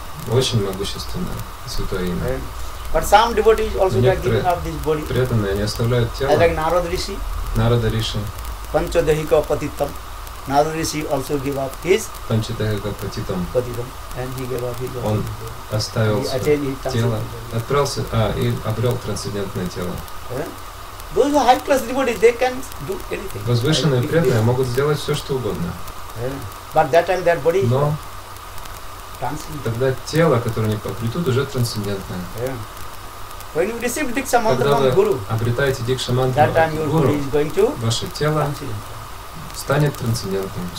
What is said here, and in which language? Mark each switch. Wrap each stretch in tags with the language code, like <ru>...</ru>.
<ru>Очень могущественное святое имя.</ru> <en>But some devotees also are giving up this body.</en> <ru>Преданные не оставляют тело.</ru> <en>Like Narada Rishi. Narada Rishi.</en> <sa>Panchadehika Patitam.</sa> <en>Narada Rishi also gave up his.</en> <sa>Panchadehika Patitam.</sa> <en>Patitam. And he gave up his body.</en> <ru>Он оставил</ru> <en>he</en> <ru>тело. Отправился, и обрел трансцендентное тело.</ru> <en>Those are high class devotees, they can do anything.</en> <ru>Возвышенные преданные могут сделать все, что угодно.</ru> <en>But that time their body.</en> <ru>Но тогда тело, которое не покрыто, уже трансцендентное.</ru> <en>When you receive Diksha Mantra from Guru,</en> <ru>обретаете Диксха Мантру от Гуру, ваше тело станет трансцендентным.</ru>